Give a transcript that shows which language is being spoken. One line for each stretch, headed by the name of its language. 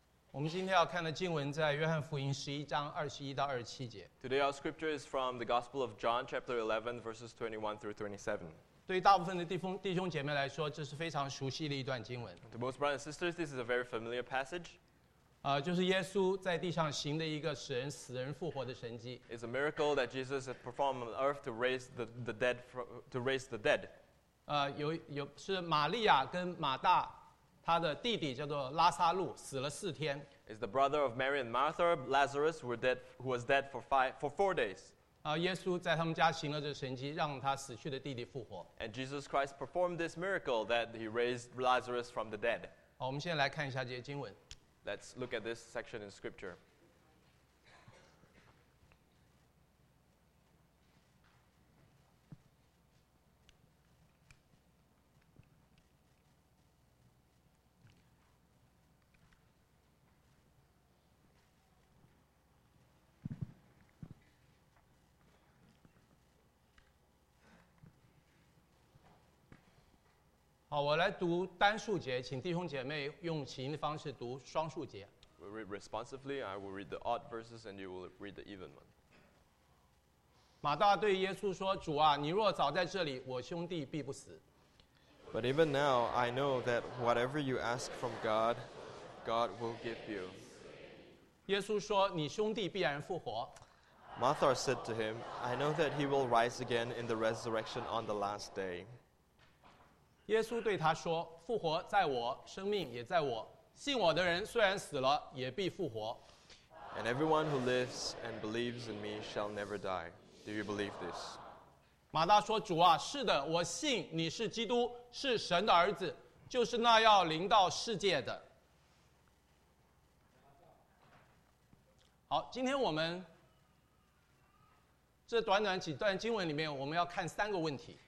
Chinese: 我们今天要看的经文在约翰福音十一章二十一到二十七节。
English: Today our scripture is from the Gospel of John, chapter 11, verses 21 through 27.
Chinese: 对大部分的弟兄姐妹来说，这是非常熟悉的一段经文。
English: To most brothers and sisters, this is a very familiar passage.
Chinese: 就是耶稣在地上行的一个使人死人复活的神迹。
English: It's a miracle that Jesus performed on earth to raise the dead.
Chinese: 有是玛利亚跟马大。他的弟弟叫做拉撒路，死了四天。
English: Is the brother of Mary and Martha, Lazarus, who was dead for four days.
Chinese: 耶稣在他们家行了这神迹，让他死去的弟弟复活。
English: And Jesus Christ performed this miracle that he raised Lazarus from the dead.
Chinese: 好，我们现在来看一下这些经文。
English: Let's look at this section in scripture.
Chinese: 好，我来读单数节，请弟兄姐妹用起音的方式读双数节。
English: We'll read responsively. I will read the odd verses, and you will read the even one.
Chinese: 马大对耶稣说：“主啊，你若早在这里，我兄弟必不死。”
English: But even now, I know that whatever you ask from God, God will give you.
Chinese: 耶稣说：“你兄弟必然复活。”
English: Martha said to him, "I know that he will rise again in the resurrection on the last day."
Chinese: 耶稣对他说：“复活在我，生命也在我。信我的人虽然死了，也必复活。”
English: And everyone who lives and believes in me shall never die. Do you believe this?
Chinese: 马大说：“主啊，是的，我信你是基督，是神的儿子，就是那要临到世界的。” 好，今天我们这短短几段经文里面，我们要看三个问题。